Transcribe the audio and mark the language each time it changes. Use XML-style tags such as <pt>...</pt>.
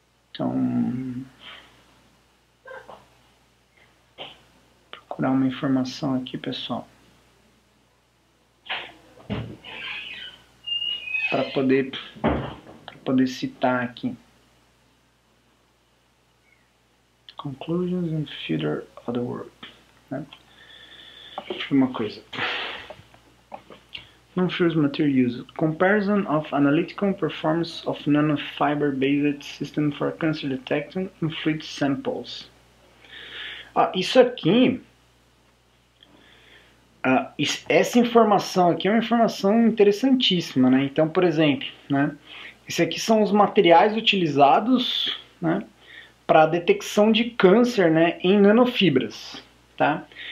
<pt>Então, procurar uma informação aqui, pessoal, para poder citar aqui.</pt> <en>Conclusions and Further Other Work,</en> <pt>né? Uma coisa.</pt> <en>Non-ferrous material use. Comparison of analytical performance of nanofiber-based system for cancer detection in fluid samples.</en> <pt>Isso aqui. Essa informação aqui é uma informação interessantíssima, né? Então, por exemplo, né? Esses aqui são os materiais utilizados, né, para detecção de câncer, né, em nanofibras, tá?</pt>